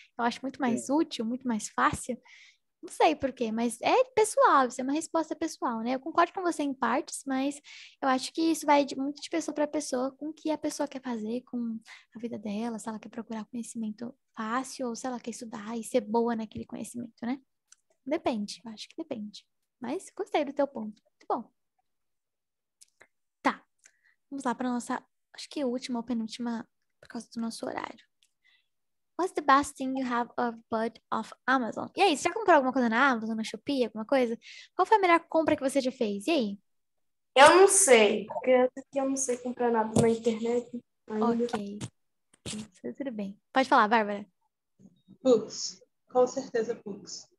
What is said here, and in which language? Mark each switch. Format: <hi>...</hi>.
<pt>Eu acho muito mais útil, muito mais fácil. Não sei por quê, mas é pessoal, isso é uma resposta pessoal, né? Eu concordo com você em partes, mas eu acho que isso vai de muito de pessoa para pessoa, com o que a pessoa quer fazer com a vida dela, se ela quer procurar conhecimento fácil ou se ela quer estudar e ser boa naquele conhecimento, né? Depende, eu acho que depende. Mas gostei do teu ponto, muito bom. Tá, vamos lá para nossa, acho que última ou penúltima, por causa do nosso horário.</pt> <en>What's the best thing you have of bought off Amazon?</en> <pt>E aí, você já comprou alguma coisa na Amazon, na Shopee, alguma coisa? Qual foi a melhor compra que você já fez? E aí? Eu não sei, porque eu não sei comprar nada na internet. Ok. Tudo bem. Pode falar, Bárbara. Books. Com certeza, books.</pt>